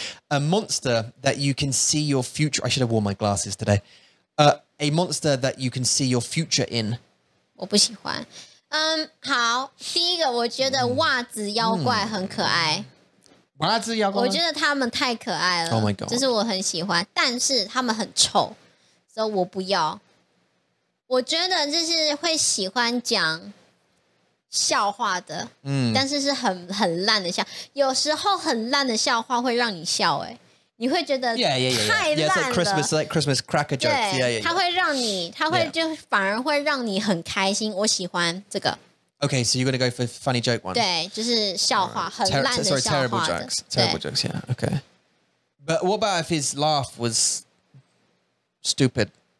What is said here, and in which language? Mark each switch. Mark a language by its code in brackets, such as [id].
[en] A monster that you can see your future. I should have worn my glasses today. A monster that you can see your future in. [zh] 我不喜欢. 好，第一个我觉得袜子妖怪很可爱。袜子妖怪? 我觉得他们太可爱了。 [en] Oh my god. [zh] 这是我很喜欢, 但是他们很臭, so 我不要。我觉得这是会喜欢讲笑话的, 但是是很烂的笑, 有时候很烂的笑话会让你笑耶。你会觉得太烂了。 [en] It's like Christmas cracker jokes. [zh] 对, 它会让你, 它会就反而会让你很开心。我喜欢这个。 [en] Okay, so you're going to go for funny joke one. [zh] 对,就是笑话, 很烂的笑话。 [en] Sorry, terrible jokes. Terrible jokes, yeah, okay. But what about if his laugh was stupid?